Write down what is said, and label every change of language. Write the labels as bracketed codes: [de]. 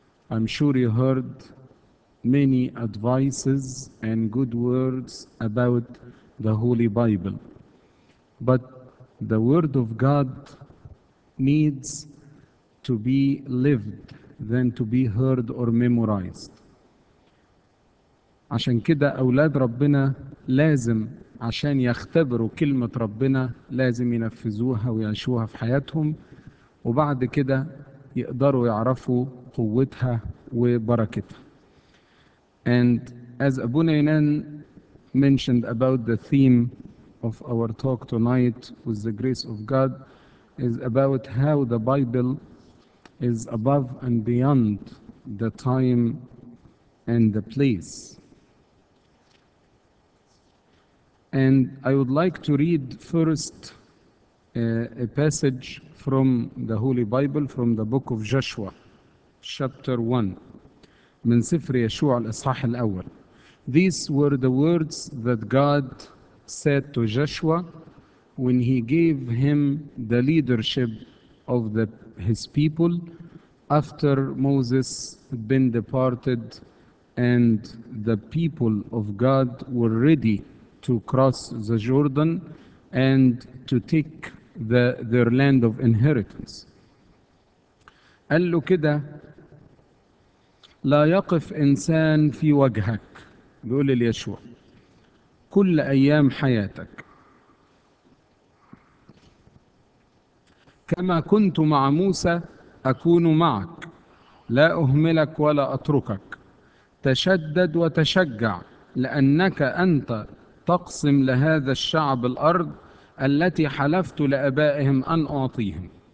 [en] I'm sure you heard many advices and good words about the Holy Bible. But the Word of God needs to be lived than to be heard or memorized. [ar] عشان كده أولاد ربنا لازم عشان يختبروا كلمة ربنا لازم ينفذوها ويعيشوها في حياتهم، وبعد كده يقدروا يعرفوا قوتها وبركتها. [en] And as Abuna Inan mentioned about the theme of our talk tonight with the grace of God is about how the Bible is above and beyond the time and the place. And I would like to read first a passage from the Holy Bible, from the book of Joshua, chapter 1. [ar] من سفر يشوع الإصحاح الأول. [en] These were the words that God said to Joshua when he gave him the leadership of his people after Moses had been departed and the people of God were ready to cross the Jordan and to take their land of inheritance. [ar] قال له كده لا يقف إنسان في وجهك، بيقول ليشوع، كل أيام حياتك كما كنت مع موسى أكون معك، لا أهملك ولا أتركك، تشدد وتشجع لأنك أنت تقسم لهذا الشعب الأرض التي حلفت لآبائهم أن أعطيهم،